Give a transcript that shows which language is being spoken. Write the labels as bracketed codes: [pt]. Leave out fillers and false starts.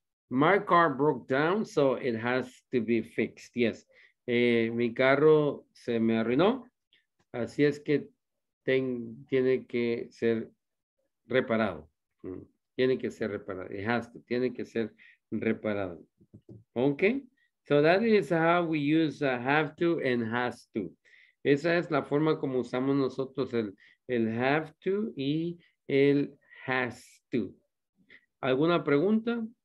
[en] My car broke down, so it has to be fixed, yes. [es] Mi carro se me arruinó, así es que tiene que ser reparado. Tiene que ser reparado, [en] it has to, [es] tiene que ser reparado. [en] Okay, so that is how we use have to and has to. [es] Esa es la forma como usamos nosotros el have to y el has to. ¿Alguna pregunta?